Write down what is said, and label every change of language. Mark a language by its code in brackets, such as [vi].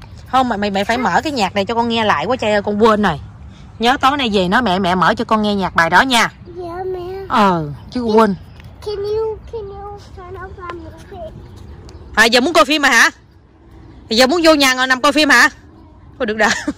[vi] Không, mày phải mở cái nhạc này cho con nghe lại quá trời ơi, con quên rồi. Nhớ tối nay về nói mẹ mở cho con nghe nhạc bài đó nha. Dạ mẹ. Chứ quên. [en] Can you turn off my music? [vi] À, giờ muốn coi phim mà hả? Bây giờ muốn vô nhà ngồi nằm coi phim hả? Thôi được rồi.